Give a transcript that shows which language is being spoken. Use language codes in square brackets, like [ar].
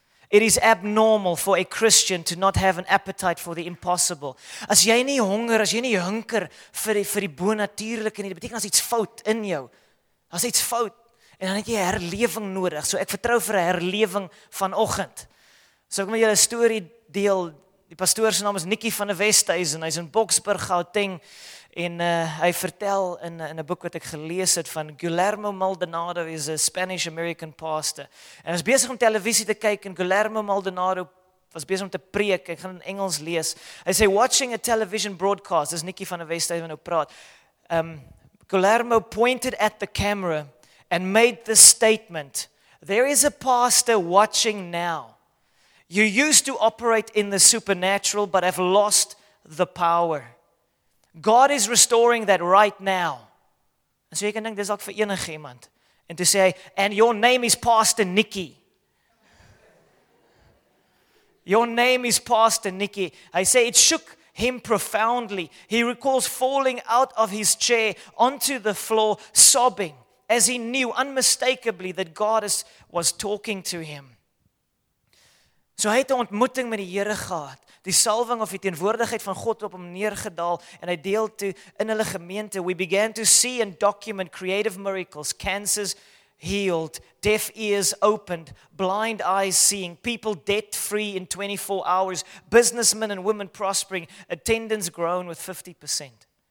[en] It is abnormal for a Christian to not have an appetite for the impossible. [af] As jy nie honger, as jy nie hunker vir die bonatuurlike nie, dit beteken as iets fout in jou. As iets fout en dan het jy herlewing nodig. So ek vertrou vir 'n herlewing vanoggend. So ek wil met julle 'n storie deel. Die pastoor se naam is Nikki van die Westhuizen, hy's in Boksburg, Gauteng, en hy vertel in 'n boek wat ek gelees het van Guillermo Maldonado, is 'n [en] Spanish-American pastor. [af] En hy was besig om televisie te kyk, en Guillermo Maldonado was besig om te preek, ek gaan in Engels lees. Hy sê, [en] watching a television broadcast, [af] dis Nikki van die Westhuizen nou praat, [en] Guillermo pointed at the camera and made the statement, there is a pastor watching now. You used to operate in the supernatural, but have lost the power. God is restoring that right now. [af] En so jy kan dink, dis ook vir enige iemand. En toe sê hy, [en] and your name is Pastor Nikki. Your name is Pastor Nikki. [af] Hy sê, [en] it shook him profoundly. He recalls falling out of his chair onto the floor, sobbing, as he knew unmistakably that God was talking to him. [af] So hy het 'n ontmoeting met die Here gehad. Die salwing of die teenwoordigheid van God op hom neergedaal en hy deel toe in hulle gemeente. We began to see and document creative miracles, cancers healed, deaf ears opened, blind eyes seeing, people debt free in 24 hours, businessmen and women prospering, attendance grown with 50%.